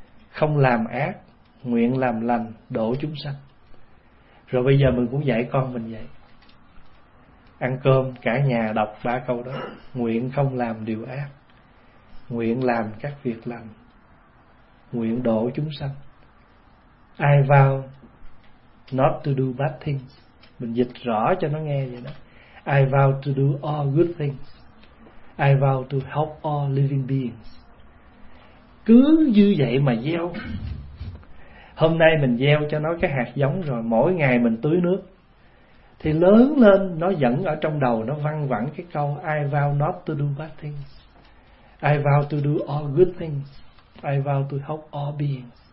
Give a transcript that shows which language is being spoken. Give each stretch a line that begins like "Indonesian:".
Vietnamese: Không làm ác, nguyện làm lành, độ chúng sanh. Rồi bây giờ mình cũng dạy con mình vậy. Ăn cơm, cả nhà đọc ba câu đó. Nguyện không làm điều ác, nguyện làm các việc lành, nguyện độ chúng sanh.
English: I vow not to do bad things.
Vietnamese: Mình dịch rõ cho nó nghe vậy đó.
English: I vow to do all good things. I vow to help all living beings.
Vietnamese: Cứ như vậy mà gieo. Hôm nay mình gieo cho nó cái hạt giống rồi, mỗi ngày mình tưới nước, thì lớn lên nó vẫn ở trong đầu nó văng vẳng cái câu
English: I vow not to do bad things, I vow to do all good things, I vow to help all beings.